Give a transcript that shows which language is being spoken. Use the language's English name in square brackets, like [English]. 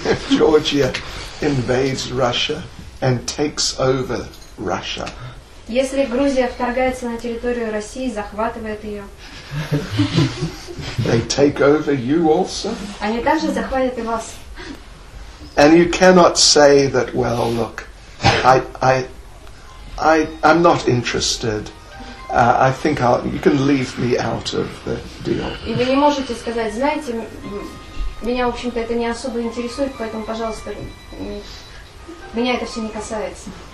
[English] Georgia invades Russia and takes over Russia. [Russian] Если Грузия вторгается на территорию России, захватывает ее. [English] They take over you also. [Russian] Они также захватят и вас. [English] And you cannot say that, well, look, I'm not interested. I think you can leave me out of the deal. [Russian] И вы не можете сказать, знаете, меня, в общем-то, это не особо интересует, поэтому, пожалуйста, меня это все не касается.